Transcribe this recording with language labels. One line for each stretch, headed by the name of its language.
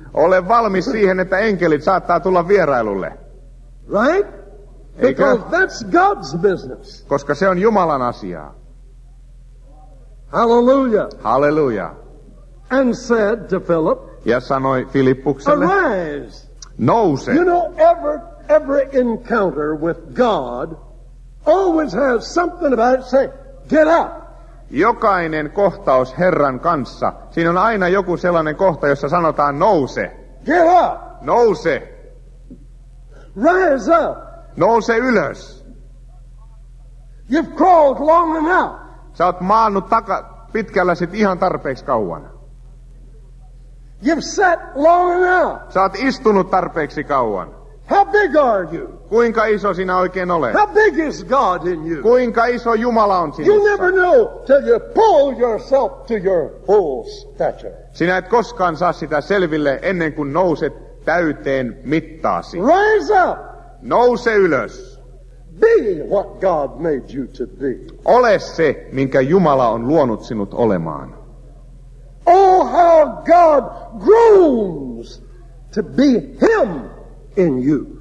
Finnish: Ole valmis siihen, että enkelit saattaa tulla vierailulle.
English: Right?
Finnish: Eikö?
English: Because that's God's business.
Finnish: Koska se on Jumalan asiaa. Hallelujah. Hallelujah.
English: And said to Philip.
Finnish: Ja sanoi Filippukselle.
English: Arise.
Finnish: Nouse.
English: You know every encounter with God always has something about it say, get up.
Finnish: Jokainen kohtaus Herran kanssa, siinä on aina joku sellainen kohta, jossa sanotaan nouse.
English: Get up.
Finnish: Nouse.
English: Rise up.
Finnish: Nouse ylös.
English: You've crawled long enough.
Finnish: Sä oot maannut pitkällä sit ihan tarpeeksi kauan.
English: You've sat long enough.
Finnish: Sä oot istunut tarpeeksi kauan.
English: How big are you?
Finnish: Kuinka iso sinä oikein olet?
English: How big is God in you?
Finnish: Kuinka iso Jumala on sinussa?
English: You never know till you pull yourself to your full stature.
Finnish: Sinä et koskaan saa sitä selville ennen kuin nouset täyteen mittaasi.
English: Rise up.
Finnish: Nouse ylös.
English: Be what God made you to be.
Finnish: Ole se, minkä Jumala on luonut sinut olemaan.
English: Oh, how God groans to be Him. In you.